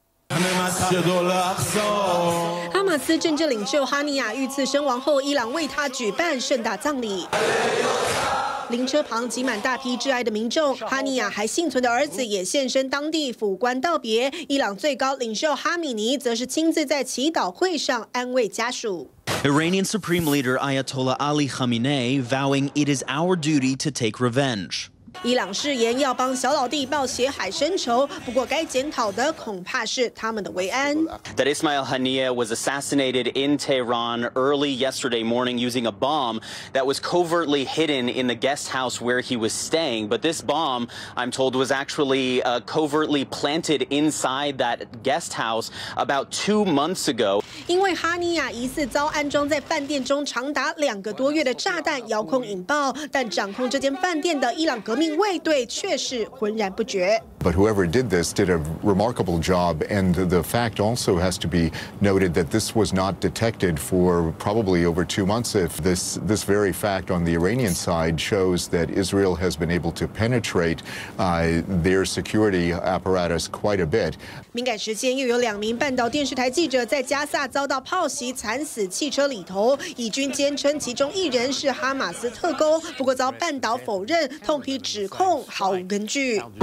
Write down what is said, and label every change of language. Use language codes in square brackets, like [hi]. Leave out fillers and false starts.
[zh] 哈马斯政治领袖哈尼亚遇刺身亡后，伊朗为他举办盛大葬礼，灵车旁挤满大批挚爱的民众，哈尼亚还幸存的儿子也现身当地抚棺道别，伊朗最高领袖哈米尼则是亲自在祈祷会上安慰家属。 [en] Iranian Supreme Leader Ayatollah Ali Khamenei vowing it is our duty to take revenge. [zh] 伊朗誓言要帮小老弟报血海深仇，不过该检讨的恐怕是他们的维安。 [en] That Ismail Haniyeh was assassinated in Tehran early yesterday morning using a bomb that was covertly hidden in the guest house where he was staying. But this bomb, I'm told, was actually covertly planted inside that guest house about 2 months ago. [zh] 因为哈尼亚疑似遭安装在饭店中长达2个多月的炸弹遥控引爆，但掌控这间饭店的伊朗革命卫队却是浑然不觉。 [en] But whoever did this did a remarkable job, and the fact also has to be noted that this was not detected for probably over 2 months. If this very fact on the Iranian side shows that Israel has been able to penetrate their security apparatus quite a bit. [zh] 敏感时间又有两名半岛电视台记者在加萨遭到炮袭，惨死汽车里头。以军坚称其中一人是哈马斯特工，不过遭半岛否认，痛批指控毫无根据。